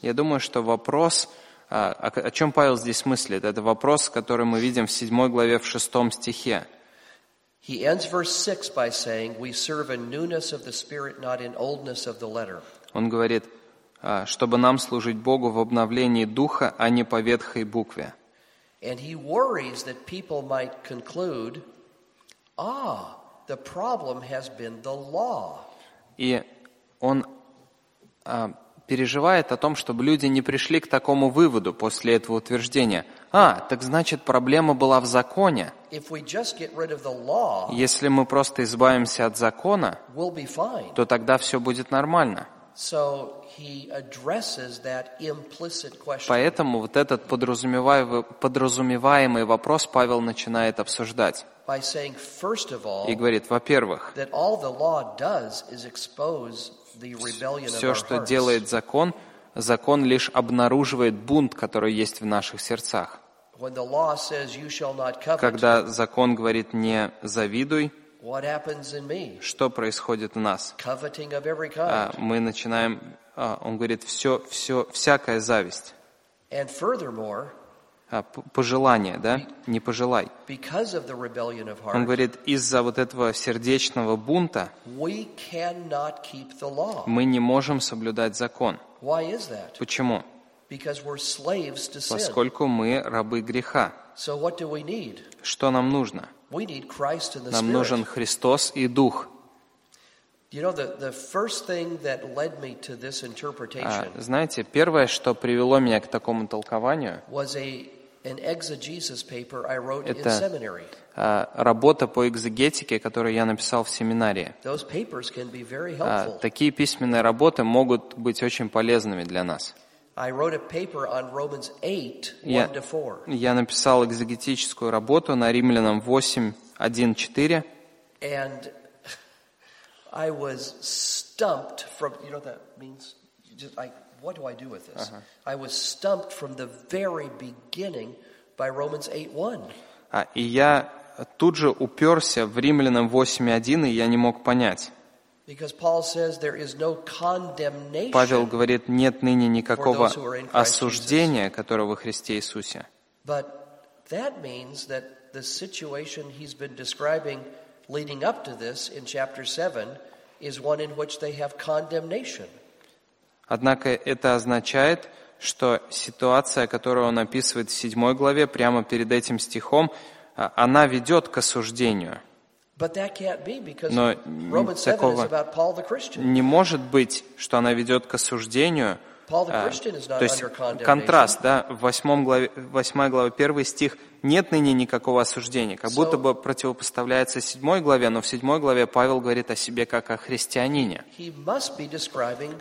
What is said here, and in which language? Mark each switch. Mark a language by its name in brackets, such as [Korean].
[Russian] Я думаю, что вопрос, о чем Павел здесь мыслит, это вопрос, который мы видим в 7 главе в 6 стихе. [English] He ends verse 6 by saying, "We serve in newness of the spirit, not in oldness of the letter." [Russian] Он говорит, чтобы нам служить Богу в обновлении духа, а не по ветхой букве. [English] And he worries that people might conclude, "Ah, the problem has been the law." [Russian] И он переживает о том, чтобы люди не пришли к такому выводу после этого утверждения. А, так значит, проблема была в законе. [English] Law, [Russian] если мы просто избавимся от закона, [English] we'll [Russian] то тогда все будет нормально. [English] So he addresses that implicit question. [Russian] Поэтому вот этот подразумеваемый вопрос Павел начинает обсуждать. [English] By saying, first of all, [Russian] и говорит, во-первых, [English] that all the law does is expose the rebellion [Russian] все, что делает закон, закон лишь обнаруживает бунт, который есть в наших сердцах. [English] When the law says, you shall not covet, [Russian] когда закон говорит, не завидуй, [English] what happens in me? [Russian] Что происходит в нас? [English] Coveting of every kind. [Russian] Мы начинаем, он говорит, всякая зависть. [English] And furthermore, [Russian] пожелание, да? Не пожелай. [English] Because of the rebellion of heart, [Russian] он говорит, из-за вот этого сердечного бунта [English] we cannot keep the law. [Russian] Мы не можем соблюдать закон. [English] Why is that? [Russian] Почему? [English] Because we're slaves to sin. [Russian] Поскольку мы рабы греха. [English] So what do we need? [Russian] Что нам нужно? [English] We need Christ and the Spirit. [Russian] Нам нужен Христос и Дух. [English] You know, the first thing that led me to this interpretation. [Russian] Знаете, первое, что привело меня к такому толкованию, [English] was an exegesis paper I wrote in seminary. [Russian] Работа по экзегетике, которую я написал в семинарии. [English] Those papers can be very helpful. [Russian] Такие письменные работы могут быть очень полезными для нас. [English] I wrote a paper on Romans 8, 1-4. [Russian] Я написал экзегетическую работу на Римлянам 8:1-4. [English] And I was stumped from, you know what that means? Just like, what do I do with this? Uh-huh. I was stumped from the very beginning by Romans 8:1. [Russian] И я тут же уперся в Римлянам 8:1, и я не мог понять. [English] Because Paul says there is no condemnation. [Russian] Павел говорит, нет ныне никакого осуждения, которое во Христе Иисусе. [English] But that means that the situation he's been describing leading up to this in chapter 7 is one in which they have condemnation. [Russian] Однако это означает, что ситуация, которую он описывает в 7 главе прямо перед этим стихом, она ведет к осуждению. [English] But that can't be because Romans 7 is about Paul the Christian. [Russian] Не может быть, что она ведет к осуждению. [English] Paul the Christian is not under condemnation. [Russian] Контраст, да, в 8 главе, 1 стих, нет ныне никакого осуждения. Как будто бы противопоставляется 7 главе, но в 7 главе Павел говорит о себе как о христианине. [English] He must be describing